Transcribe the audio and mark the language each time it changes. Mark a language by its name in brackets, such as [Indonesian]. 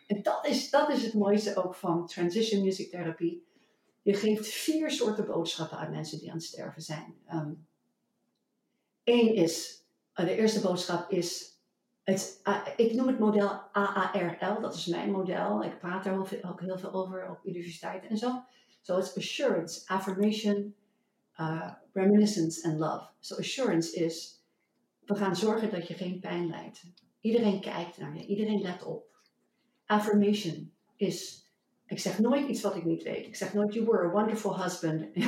[Dutch] En dat is het mooiste ook van transition music therapy. Je geeft 4 soorten boodschappen aan mensen die aan het sterven zijn. Eén is, de eerste boodschap is, ik noem het model AARL, dat is mijn model. Ik praat daar ook heel veel over op universiteiten en zo. [English] So it's assurance, affirmation, reminiscence and love. So assurance is, [Dutch] we gaan zorgen dat je geen pijn lijdt. Iedereen kijkt naar je, iedereen let op. Affirmation is, ik zeg nooit iets wat ik niet weet. Ik zeg nooit, [English] you were a wonderful husband.